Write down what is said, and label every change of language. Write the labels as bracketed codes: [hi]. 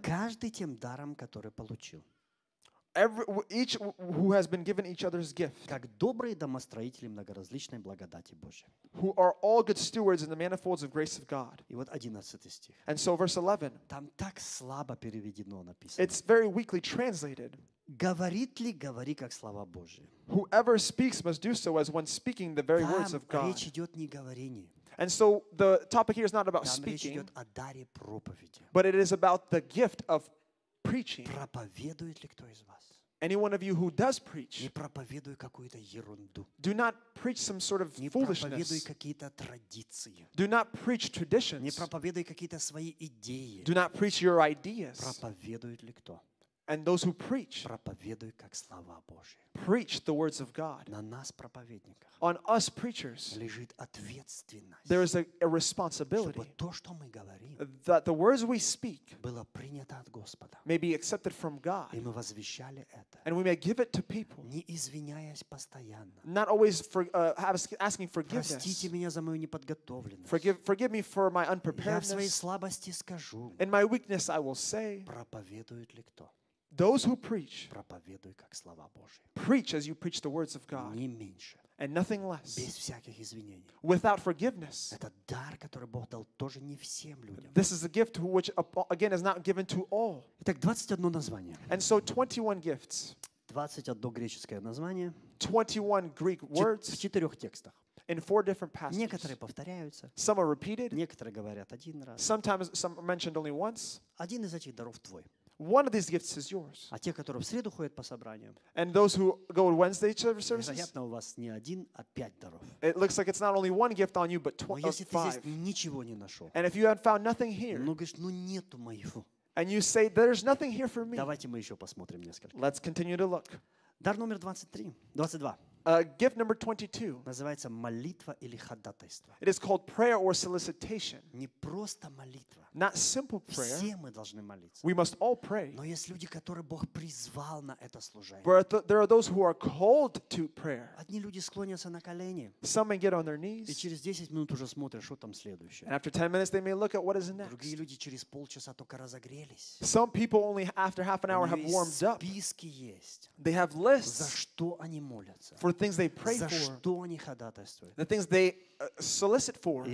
[ru] Каждый тем даром, который получил. [en] Each who has been given each other's gift, [ru] как добрые домостроители многоразличной благодати Божьей, [en] who are all good stewards in the manifolds of grace of God. [ru] И вот 11 стих. [en] And so verse 11. [ru] Там так слабо переведено написано. [en] It's very weakly translated. [ru] Говорит ли говори как слова Божьи. [en] Whoever speaks must do so as one speaking the very words of God. [ru] Там речь идет не говорение. [en] And so the topic here is not about speaking. [ru] Там речь идет о даре проповеди. [en] But it is about the gift of preaching. [ru] Проповедует ли кто из вас? [en] Any one of you who does preach, [ru] не проповедуй какую-то ерунду. [en] Do not preach some sort of foolishness. [ru] Не проповедуй какие-то традиции. [en] Do not preach traditions. [ru] Не проповедуй какие-то свои идеи. [en] Do not preach your ideas. [ru] Проповедует ли кто? [en] And those who preach, [ru] проповедуй как слова Божьи. [en] Preach the words of God. [ru] На нас проповедниках. [en] On us preachers, [ru] лежит ответственность. [en] There is a responsibility. [ru] Чтобы то, что мы говорим, [en] that the words we speak, [ru] было принято от Господа. [en] May be accepted from God. [ru] И мы возвещали это. [en] And we may give it to people. [ru] Не извиняясь постоянно. [en] Not always asking forgiveness. [ru] Простите меня за мою неподготовленность. [en] Forgive me for my unpreparedness. [ru] Я в своей слабости скажу. [en] In my weakness, I will say. [ru] Проповедует ли кто? [en] Those who preach, [ru] проповедуй как слова Божьи. [en] Preach as you preach the words of God. [ru] Не меньше. [en] And nothing less. [ru] Без всяких извинений. [en] Without forgiveness. [ru] Это дар, который Бог дал тоже не всем людям. [en] This is a gift which again is not given to all. [ru] Итак, 21 название. [en] And so 21 gifts. [ru] 21 греческое название. [en] 21 Greek words. [ru] В четырех текстах. [en] In four different passages. [ru] Некоторые повторяются. [en] Some are repeated. [ru] Некоторые говорят один раз. [en] Sometimes some are mentioned only once. [ru] Один из этих даров твой. [en] One of these gifts is yours. [ru] А те, которые в среду ходят по собраниям. [en] And those who go on Wednesday to service. [ru] Вероятно, у вас не один, а пять даров. [en] It looks like it's not only one gift on you, but five. [ru] Но если ты здесь ничего не нашел. [en] And if you haven't found nothing here. [ru] Ну, говоришь, ну нету моего. [en] And you say there's nothing here for me. [ru] Давайте мы еще посмотрим несколько. [en] Let's continue to look. [ru] Дар номер 22. [en] Gift number 22. [ru] Называется молитва или ходатайство. [en] It is called prayer or solicitation. [ru] Не просто молитва. [en] Not simple prayer. [ru] Все мы должны молиться. [en] We must all pray. [ru] Но есть люди, которые Бог призвал на это служение. [en] But there are those who are called to prayer. [ru] Одни люди склонятся на колени. [en] Some may get on their knees. [ru] И через 10 минут уже смотрят, что там следующее. [en] And after 10 minutes they may look at what is next. [ru] Другие люди через полчаса только разогрелись. [en] Some people only after half an hour have warmed up. [ru] Списки есть. [en] They have lists. [ru] За что они молятся? [en] For things they pray for, the things they solicit for,